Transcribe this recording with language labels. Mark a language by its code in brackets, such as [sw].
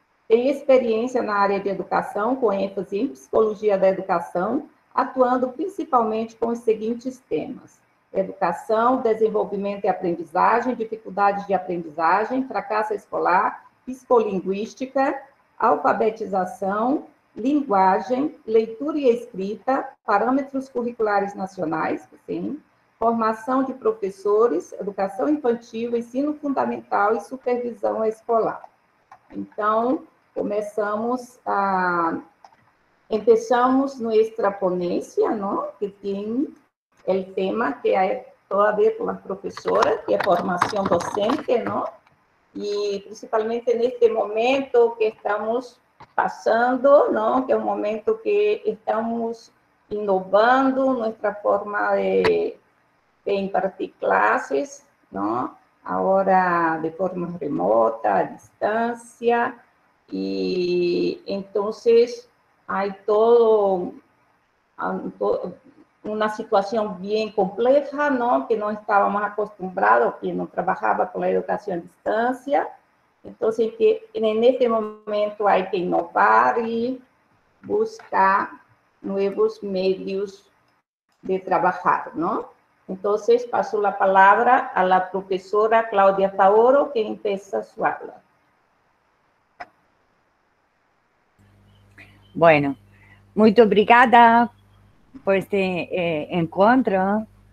[pt] Tem experiência na área de educação, com ênfase em psicologia da educação, atuando principalmente com os seguintes temas: educação, desenvolvimento e aprendizagem, dificuldades de aprendizagem, fracasso escolar, psicolinguística, alfabetização, linguagem, leitura e escrita, parâmetros curriculares nacionais, sim, formação de professores, educação infantil, ensino fundamental e supervisão escolar. Então, começamos a... [es] Empezamos nuestra ponencia, ¿no? Que tiene el tema que hay todavía con las profesoras, que es formación docente, ¿no? Y principalmente en este momento que estamos pasando, ¿no? Que es un momento que estamos innovando nuestra forma de impartir clases, ¿no? Ahora de forma remota, a distancia, y entonces... Hay todo una situación bien compleja, ¿no? Que no estábamos acostumbrados, que no trabajaba con la educación a distancia. Entonces, que en este momento hay que innovar y buscar nuevos medios de trabajar, ¿no? Entonces, paso la palabra a la profesora Claudia Taoro, que empieza su habla. [pt] Bueno, muito obrigada por este encontro.